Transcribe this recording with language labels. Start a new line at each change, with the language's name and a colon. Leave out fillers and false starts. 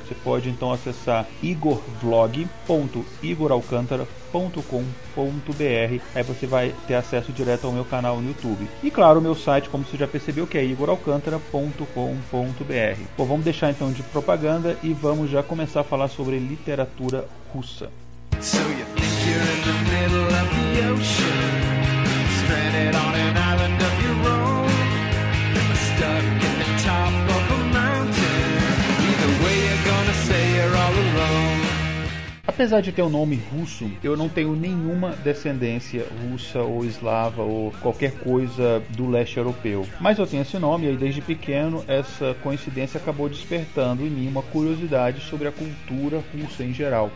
Portuguese: Você pode então acessar igorvlog.igoralcantara.com.br. Aí você vai ter acesso direto ao meu canal no YouTube. E claro, o meu site, como você já percebeu, que é igoralcantara.com.br. Bom, vamos deixar então de propaganda e vamos já começar a falar sobre literatura russa.
English: So you think you're in the middle of the ocean, stranded on an island of your own, stuck in the top of a mountain. Either way you're gonna say you're all alone.
Portuguese: Apesar de ter um nome russo, eu não tenho nenhuma descendência russa ou eslava ou qualquer coisa do leste europeu. Mas eu tenho esse nome e desde pequeno essa coincidência acabou despertando em mim uma curiosidade sobre a cultura russa em geral.